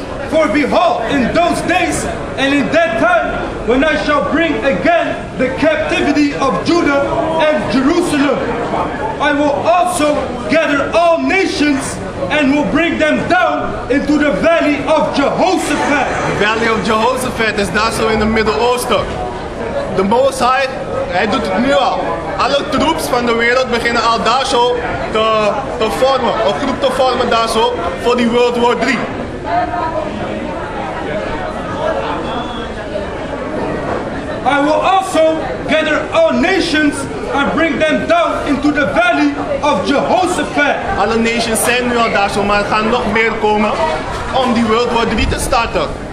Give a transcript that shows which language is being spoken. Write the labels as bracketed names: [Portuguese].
[English] For behold, in those days and in that time, when I shall bring again the captivity of Judah and Jerusalem, I will also gather all nations and will bring them down into the valley of Jehoshaphat. The valley of Jehoshaphat is [Dutch] daar zo [English] in the Middle East. The Most High, [Dutch] hij doet het nu al. Alle troops van de wereld beginnen al daar zo te vormen, een groep te vormen daar zo voor die World War 3. [English] I will also gather all nations and bring them down into the valley of Jehoshaphat. [Dutch] Alle nations zijn nu al daar zo, maar er gaan nog meer komen om die World War 3 te starten.